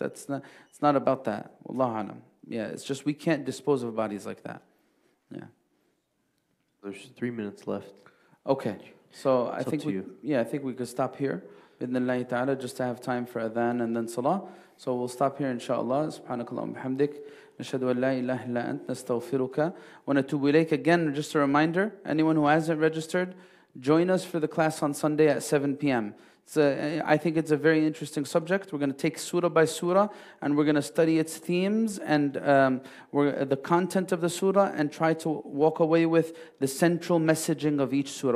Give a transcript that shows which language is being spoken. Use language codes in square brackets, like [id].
[en] It's not about that. Wallahu alam. Yeah, it's just we can't dispose of bodies like that. Yeah. There's 3 minutes left. Okay. I think we could stop here. Bidna Allah Ta'ala, just to have time for adhan and then salah. So we'll stop here, inshaAllah. [ar] Subhanakallahu bihamdik. نشهد أن لا إله إلا أنت نستغفرك ونتوب إليك. [en] Again, just a reminder, anyone who hasn't registered, join us for the class on Sunday at 7 p.m. I think it's a very interesting subject. We're going to take surah by surah and we're going to study its themes and the content of the surah and try to walk away with the central messaging of each surah.